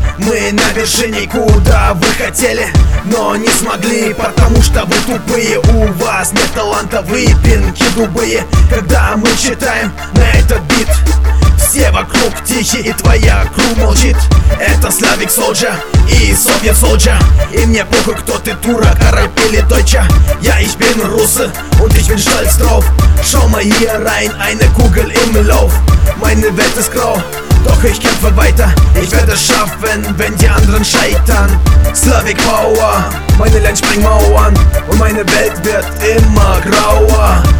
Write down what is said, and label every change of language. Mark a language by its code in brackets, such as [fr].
[ru] Мы на вершине, куда вы хотели, но не смогли, потому что вы тупые. У вас нет таланта, вы пинки дубые. Когда мы читаем на этот бит, все вокруг тихи и твоя круг молчит. Это Slavic Soldier и Soviet Soldier. И мне похуй, кто ты, турок, араб или дойча. [de] Я ich bin Russe und ich bin stolz drauf. Schau mal hier rein, eine Kugel im Lauf. Meine Welt ist grau, doch ich kämpfe weiter. Ich werde es schaffen, wenn die anderen scheitern. Slavic Power, meine Land sprengt Mauern. Und meine Welt wird immer grauer.